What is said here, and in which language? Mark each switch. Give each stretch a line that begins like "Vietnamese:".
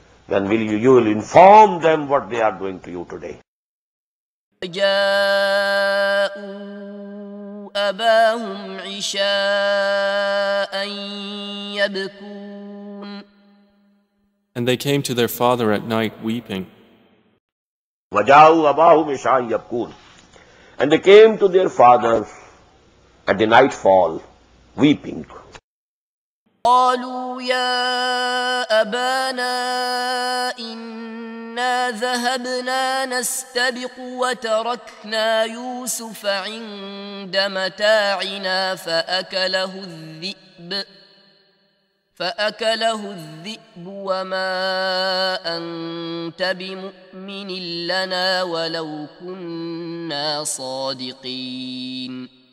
English: Then you will inform them what they are doing to you today.
Arabic: جاءوا أباهم عشاء يبكون.
English: And they came to their father at night weeping.
Arabic: وجاءوا أباهم عشاء يبكون.
English: And they came to their father at the nightfall weeping.
Arabic: قَالُوا يَا أَبَانَا إِنَّا ذَهَبْنَا نَسْتَبِقُ وَتَرَكْنَا يُوسُفَ عِنْدَ مَتَاعِنَا فَأَكَلَهُ الذِّئْبُ وَمَا أَنْتَ بِمُؤْمِنٍ لَنَا وَلَوْ كُنَّا صَادِقِينَ